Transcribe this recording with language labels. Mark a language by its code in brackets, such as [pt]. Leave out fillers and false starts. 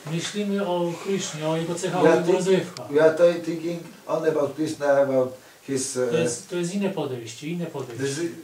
[pl] Myślimy o Krishnie, o jego cechach rozrywka. [en] You are thinking only about Krishna, about his. [pl] To jest inne podejście, inne podejście.